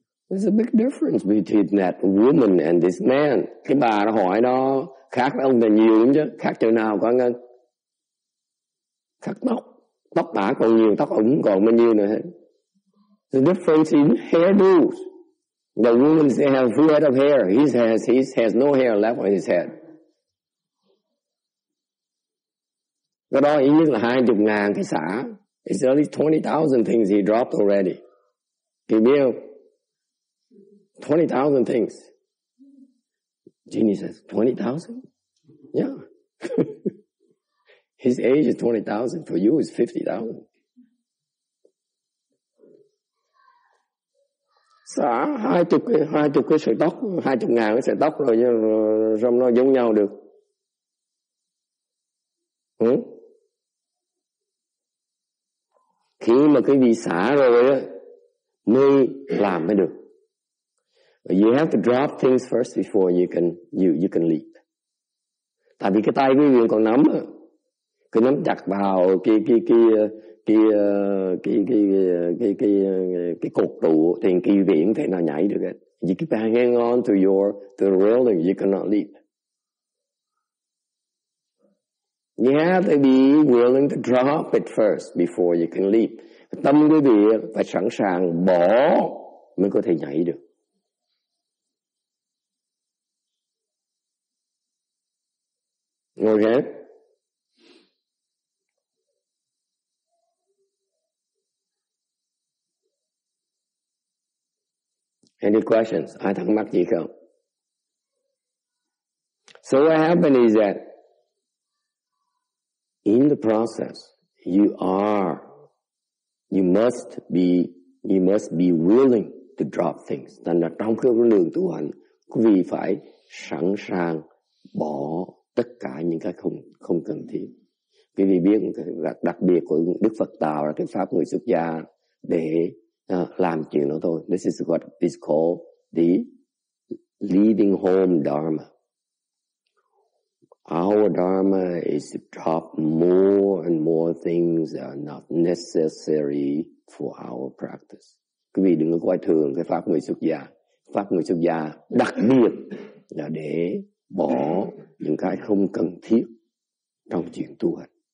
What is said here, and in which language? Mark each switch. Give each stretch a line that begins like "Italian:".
English: There's a big difference between that woman and this man.
Vietnamese: Cái bà nó hỏi nó khác với ông là nhiều lắm chứ. Khác chỗ nào, Quang Ngân? Khác tóc. Tóc bà còn nhiều, tóc ổng còn bao nhiêu nữa hết.
English: The difference in hairdos. The woman has full head of hair. He has no hair left on his head.
Vietnamese: Cái đó ý nhất là 20,000 cái xã.
English: It's at least 20,000 things he dropped already.
Vietnamese: Kỳ biết không?
English: 20,000 things. Jeannie says, 20,000? Yeah. His age is 20,000. For you, it's 50,000.
Vietnamese: Xả 20 cái sợi tóc, 20,000 cái sợi tóc rồi, xong nó giống nhau được. Khi mà cái vị xả rồi á, mới làm mới được.
English: You have to drop things first before you can leap.
Vietnamese: Tại vì cái tay quý vị còn nắm á, cứ nắm chặt vào cái cột trụ thì kỳ viễn thế nào nhảy được hết.
English: You keep hanging on to the railing, you cannot leap. You have to be willing to drop it first before you can leap.
Vietnamese: Tâm quý vị phải sẵn sàng bỏ mới có thể nhảy được.
English: Okay. Any questions?
Vietnamese: Ai thắc mắc gì không?
English: So what happened is that in the process, you must be willing to drop things.
Vietnamese: Tức là trong cái con đường tu hành, quý vị phải sẵn sàng bỏ tất cả những cái không cần thiết. Quý vị biết đặc biệt của Đức Phật Tào là cái pháp người xuất gia để làm chuyện đó thôi.
English: This is what is called the leaving home dharma. Our dharma is to drop more and more things that are not necessary for our practice.
Vietnamese: Quý vị đừng có coi thường cái pháp người xuất gia. Pháp người xuất gia đặc biệt là để bỏ những cái không cần thiết trong chuyện tu hành.